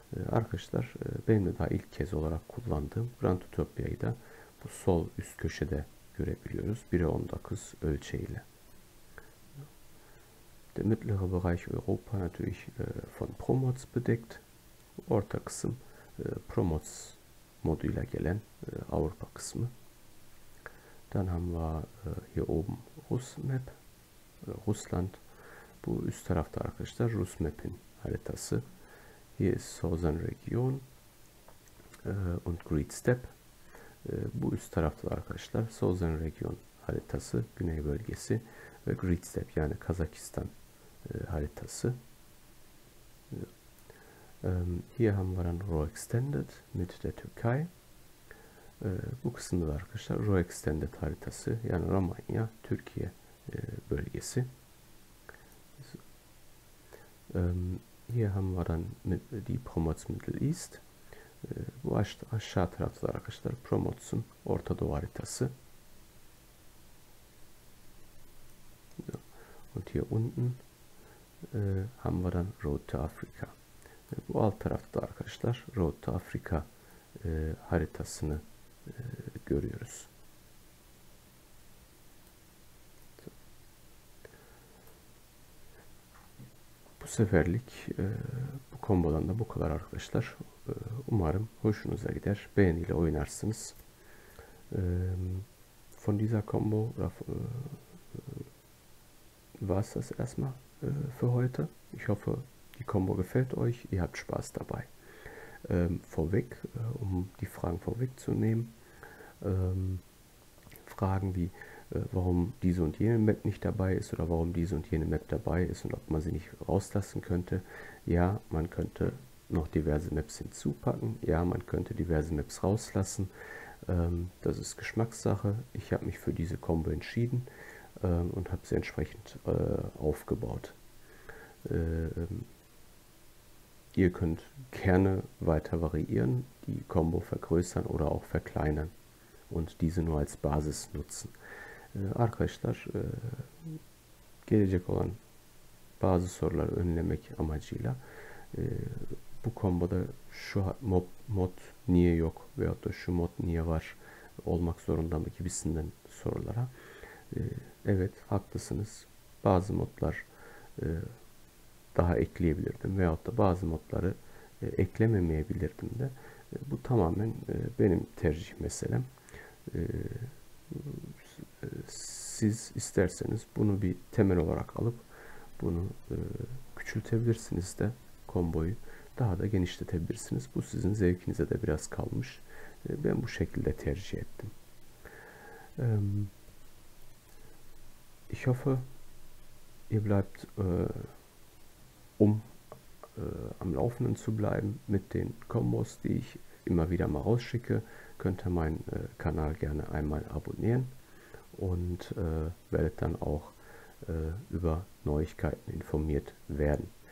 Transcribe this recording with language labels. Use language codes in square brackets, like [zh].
[tr] Arkadaşlar, benim de daha ilk kez olarak kullandığım Grand Utopia'yı da bu sol üst köşede görebiliyoruz. 1'e 19 ölçeğiyle. [de] Der mittlere Bereich Europa natürlich von ProMods bedeckt. [tr] Orta kısım ProMods moduyla gelen Avrupa kısmı. [de] Dann haben wir hier oben RusMap, Russland. [tr] Bu üst tarafta arkadaşlar RusMap'in haritası. [de] Hier ist Southern Region und Great Steppe. [tr] Bu üst tarafta da arkadaşlar Southern Region haritası, Güney bölgesi ve Great Steppe yani Kazakistan haritası. [de] Hier haben wir dann RAW Extended mit der Türkei. [tr] Bu kısımda da arkadaşlar RAW Extended haritası yani Romanya, Türkiye bölgesi. [de] Hier haben wir dann die Promots Middle East. [tr] Bu aşağı taraflar arkadaşlar Promotion Orta Doğu haritası. [de] Und hier unten haben wir dann Road to Africa. [tr] Bu alt tarafta arkadaşlar Road to Africa haritasını görüyoruz. Seferlik bu kombodan da bu kadar arkadaşlar. Umarım hoşunuza gider. Beğeniyle oynarsınız. [de] Von dieser Combo war es das erstmal für heute. Ich hoffe, die Combo gefällt euch. Ihr habt Spaß dabei. Vorweg, um die Fragen vorwegzunehmen. Fragen wie warum diese und jene Map nicht dabei ist oder warum diese und jene Map dabei ist und ob man sie nicht rauslassen könnte. Ja, man könnte noch diverse Maps hinzupacken. Ja, man könnte diverse Maps rauslassen. Das ist Geschmackssache. Ich habe mich für diese Combo entschieden und habe sie entsprechend aufgebaut. Ihr könnt gerne weiter variieren, die Combo vergrößern oder auch verkleinern und diese nur als Basis nutzen. [tr] Arkadaşlar, gelecek olan bazı soruları önlemek amacıyla bu komboda şu mod niye yok veyahut da şu mod niye var olmak zorunda mı gibisinden sorulara evet haklısınız. Bazı modlar daha ekleyebilirdim veyahut da bazı modları eklememeyebilirdim de. Bu tamamen benim tercih meselem. Siz isterseniz bunu bir temel olarak alıp bunu küçültebilirsiniz de komboyu daha da genişletebilirsiniz. Bu sizin zevkinize de biraz kalmış. Ben bu şekilde tercih ettim. [de] Ich hoffe, ihr bleibt, um am Laufenden zu bleiben mit den Kombos, die ich immer wieder mal rausschicke, könnt ihr meinen Kanal gerne einmal abonnieren. Und werdet dann auch über Neuigkeiten informiert werden.